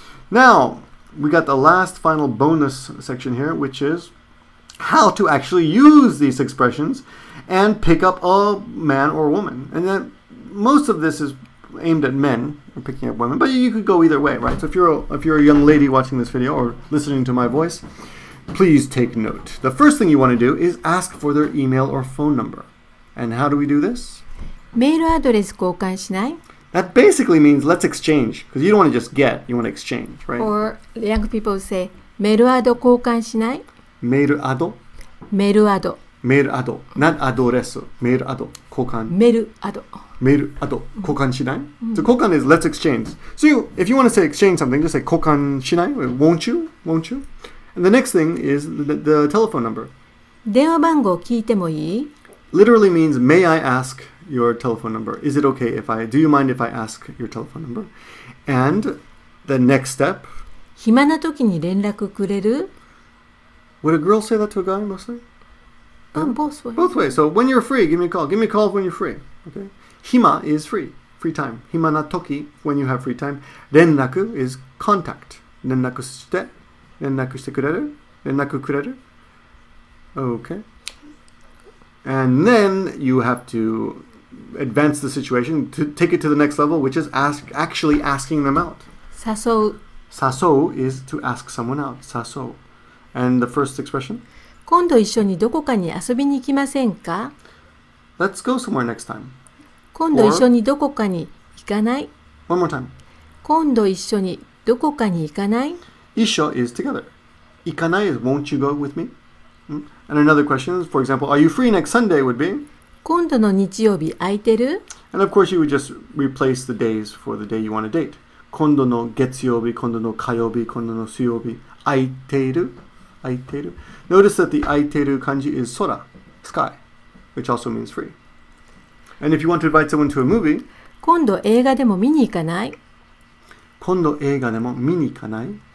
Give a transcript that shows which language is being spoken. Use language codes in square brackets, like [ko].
[en] Now, we got the last final bonus section here, which is how to actually use these expressions and pick up a man or a woman. And then most of this is aimed at men, picking up women, but you could go either way, right? So if you're a young lady watching this video or listening to my voice, please take note. The first thing you want to do is ask for their email or phone number. And how do we do this? [ja] メールアドレス交換しない? [en] That basically means let's exchange. Because you don't want to just get, you want to exchange, right? Or young people say, [ja] メールアド交換しない? メールアド? メールアド。メールアド。Not アドレス。メールアド。交換。メールアド。 [en] Mail. [ja] あと交換しない。 [en] So 交換 is let's exchange. So you, if you want to say exchange something, just say 交換しない。Won't you? Won't you? And the next thing is the telephone number. [ja] 電話番号聞いてもいい? [en] Literally means may I ask your telephone number? Is it okay if I? Do you mind if I ask your telephone number? And the next step. [ja] 暇な時に連絡くれる? [en] Would a girl say that to a guy mostly? Both ways. Both ways. So when you're free, give me a call. Give me a call when you're free. Okay. Hima is free. Free time. Hima na toki, when you have free time. Renraku is contact. Renraku shite. [ja] Renraku shite kureru. [en] Renraku kureru. Okay. And then you have to advance the situation to take it to the next level, which is actually asking them out. [ja] Sasou. [en] Sasou is to ask someone out. Sasou. And the first expression? [ja] 今度一緒にどこかに遊びに行きませんか? [en] Let's go somewhere next time. [ja] 今度一緒にどこかに行かない? [en] One more time. [ja] 今度一緒にどこかに行かない? [en] 一緒 is together. 行かない is won't you go with me? And another question is, for example, are you free next Sunday would be? [ja] 今度の日曜日空いてる? [en] And of course you would just replace the days for the day you want to date. [ja] 今度の月曜日、今度の火曜日、今度の水曜日、空いている? Aiteru. [en] Notice that the aiteru kanji is sora, sky, which also means free. And if you want to invite someone to a movie, [ja] 今度映画でも見に行かない? 今度映画でも見に行かない?